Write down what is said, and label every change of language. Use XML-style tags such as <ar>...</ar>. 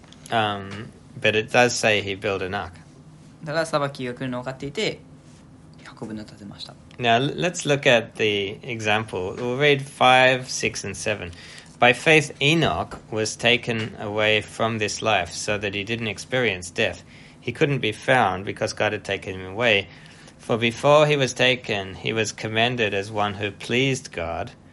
<en>But it does say he built an ark.</en> <ja>だから裁きが来るのを分かっていて、ヤコブに立てました。</ja> <en>Now, let's look at the example. We'll read 5, 6, and 7. By faith, Enoch was taken away from this life so that he didn't experience death. He couldn't be found because God had taken him away. For before he was taken, he was commended as one who pleased God.</en>